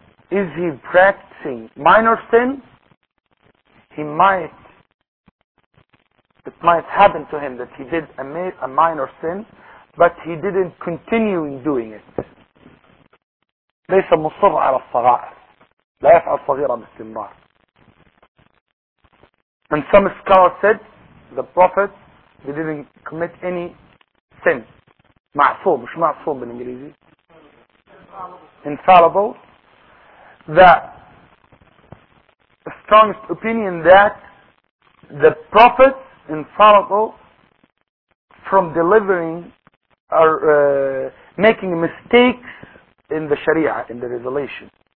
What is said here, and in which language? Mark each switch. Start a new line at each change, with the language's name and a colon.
English: Is he practicing minor sin? It might happen to him that he did a minor sin, but he didn't continue in doing it.
Arabic: ليس مصر على الصغائر لا يفعل صغيرة باستمرار.
English: And some scholars said the prophet, he didn't commit any sin.
Arabic: معصوم, مش معصوم بالإنجليزي. Infallible.
English: The strongest opinion that the prophet infallible from delivering or making mistakes in the Sharia, in the revelation.